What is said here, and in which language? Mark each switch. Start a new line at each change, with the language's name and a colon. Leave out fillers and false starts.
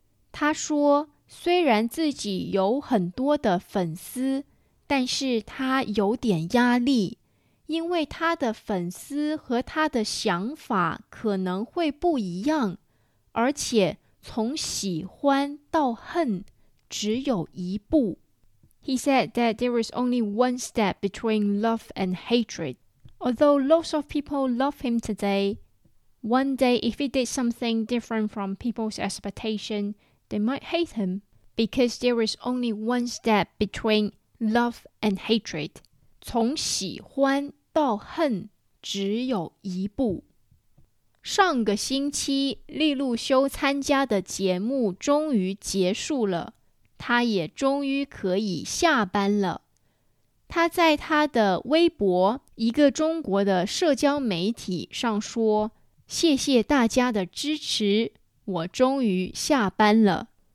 Chinese: 他说，虽然自己有很多的粉丝，但是他有点压力，因为他的粉丝和他的想法可能会不一样，而且从喜欢到恨只有一步。
English: He said that there is only one step between love and hatred. Although lots of people love him today, one day if he did something different from people's expectation, they might hate him. Because there is only one step between love and hatred.
Chinese: 从喜欢到恨只有一步。上个星期，利路修参加的节目终于结束了，他也终于可以下班了。他在他的微博，一个中国的社交媒体上说，谢谢大家的支持，我终于下班了。